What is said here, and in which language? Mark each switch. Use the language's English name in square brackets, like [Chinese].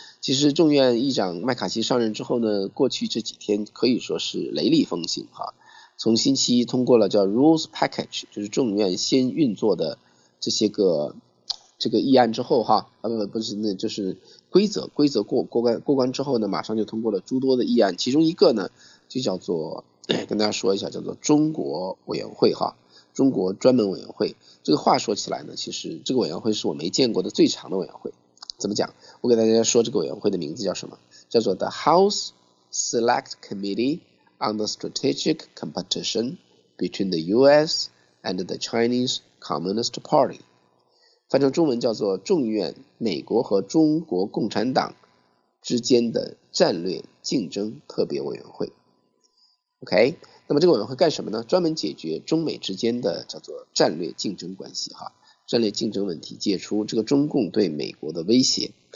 [Chinese] 其实众院议长麦卡锡上任之后呢，过去这几天可以说是雷厉风行哈，从星期一通过了叫 Rules Package， 就是众院先运作的这个议案之后哈，就是规则过关之后呢，马上就通过了诸多的议案，其中一个呢就叫做跟大家说一下，叫做中国委员会哈，中国专门委员会。这个话说起来呢，其实这个委员会是我没见过的最长的委员会。怎么讲？我给大家说这个委员会的名字叫什么？叫做 [English] The House Select Committee on the Strategic Competition Between the U.S. and the Chinese Communist Party。 [Chinese] 翻成中文叫做众院美国和中国共产党之间的战略竞争特别委员会。 [English] OK。 [Chinese] 那么这个委员会干什么呢？专门解决中美之间的叫做战略竞争关系哈，战略竞争问题，解除这个中共对美国的威胁。